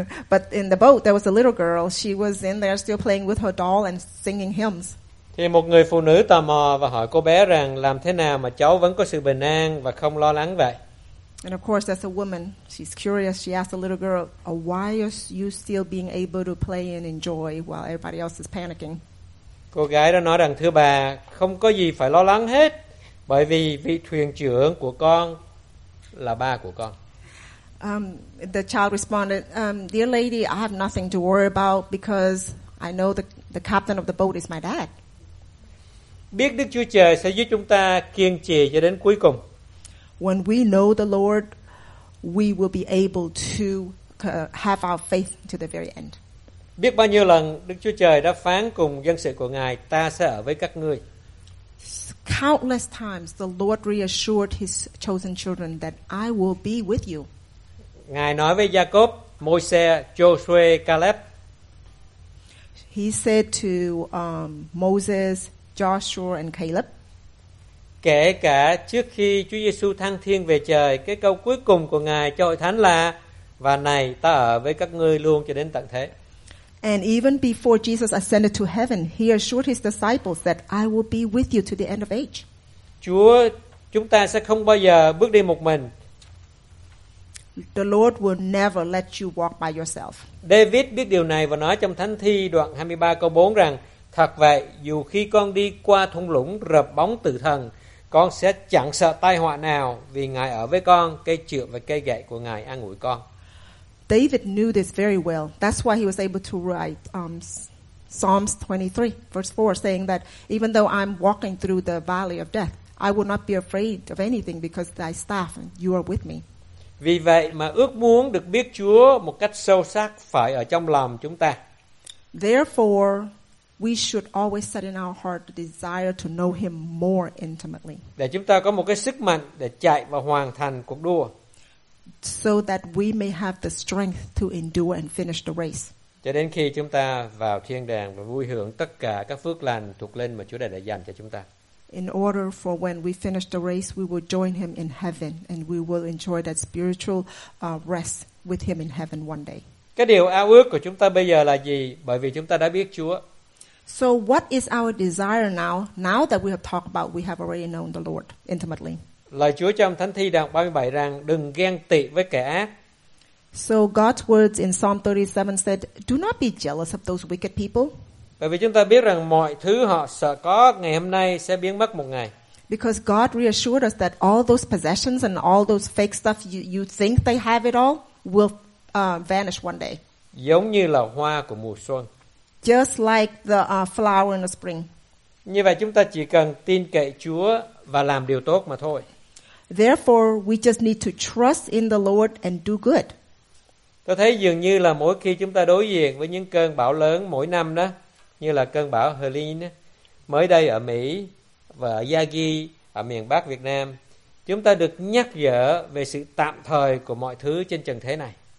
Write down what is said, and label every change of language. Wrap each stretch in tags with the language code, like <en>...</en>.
<en>But in the boat there was a little girl. She was in there still playing with her doll and singing hymns.</en> <vi>Thì một người phụ nữ tò mò và hỏi cô bé rằng làm thế nào mà cháu vẫn có sự bình an và không lo lắng vậy?</vi> <en>And of course, as a woman, she's curious. She asked the little girl, "Why are you still being able to play and enjoy while everybody else is panicking?"</en> <vi>Cô gái đã nói rằng, thưa bà, không có gì phải lo lắng hết, bởi vì vị thuyền trưởng của con là ba của con.</vi> <en>The child responded, "Dear lady, I have nothing to worry about because I know the captain of the boat is my dad."</en> <vi>Biết Đức Chúa Trời sẽ giúp chúng ta kiên trì cho đến cuối cùng.</vi> <en>When we know the Lord, we will be able to have our faith to the very end.</en> <vi>Biết bao nhiêu lần Đức Chúa Trời đã phán cùng dân sự của Ngài, ta sẽ ở với các ngươi.</vi> <en>Countless times the Lord reassured his chosen children that I will be with you.</en> <vi>Ngài nói với Jacob, Moses, Joshua, Caleb.</vi> <en>He said to Moses, Joshua and Caleb.</en> <vi>Kể cả trước khi Chúa Giêsu thăng thiên về trời, cái câu cuối cùng của Ngài cho hội thánh là: "Và này, ta ở với các ngươi luôn cho đến tận thế."</vi> <en>And even before Jesus ascended to heaven, he assured his disciples that I will be with you to the end of age.</en> <vi>Chúa, chúng ta sẽ không bao giờ bước đi một mình.</vi> <en>The Lord will never let you walk by yourself.</en> <vi>David biết điều này và nói trong Thánh Thi đoạn 23 câu 4 rằng: "Thật vậy, dù khi con đi qua thung lũng rợp bóng tử thần, con sẽ chẳng sợ tai họa nào vì Ngài ở với con, cây trượng và cây gậy của Ngài an ủi con."</vi> <en>David knew this very well. That's why he was able to write Psalms 23 verse 4 saying that even though I'm walking through the valley of death, I will not be afraid of anything because thy staff and you are with me.</en> <vi>Vì vậy mà ước muốn được biết Chúa một cách sâu sắc phải ở trong lòng chúng ta.</vi> <en>Therefore, we should always set in our heart the desire to know him more intimately.</en> <vi>Để chúng ta có một cái sức mạnh để chạy và hoàn thành cuộc đua.</vi> <en>So that we may have the strength to endure and finish the race.</en> <vi>Cho đến khi chúng ta vào thiên đàng và vui hưởng tất cả các phước lành thuộc linh mà Chúa đã dành cho chúng ta.</vi> <en>In order for when we finish the race, we will join him in heaven and we will enjoy that spiritual rest with him in heaven one day.</en> <vi>Cái điều ao ước của chúng ta bây giờ là gì? Bởi vì chúng ta đã biết Chúa.</vi> <en>So what is our desire now that we have talked about, we have already known the Lord intimately?</en> <vi>Lời Chúa trong Thánh Thi đoạn 37 rằng đừng ghen tị với kẻ ác.</vi> <en>So God's words in Psalm 37 said, do not be jealous of those wicked people.</en> <vi>Bởi vì chúng ta biết rằng mọi thứ họ sợ có ngày hôm nay sẽ biến mất một ngày.</vi> <en>Because God reassured us that all those possessions and all those fake stuff you think they have it all will vanish one day.</en> <vi>Giống như là hoa của mùa xuân.</vi> <en>Just like the flower in the spring.</en> <vi>Như vậy chúng ta chỉ cần tin cậy Chúa và làm điều tốt mà thôi.</vi> <en>Therefore, we just need to trust in the Lord and do good.</en> <vi>Tôi thấy dường như là mỗi khi chúng ta đối diện với những cơn bão lớn mỗi năm đó, như là cơn bão Helene mới đây ở Mỹ và ở Yagi ở miền Bắc Việt Nam, chúng ta được nhắc nhở về sự tạm thời của mọi thứ trên trần thế này.</vi>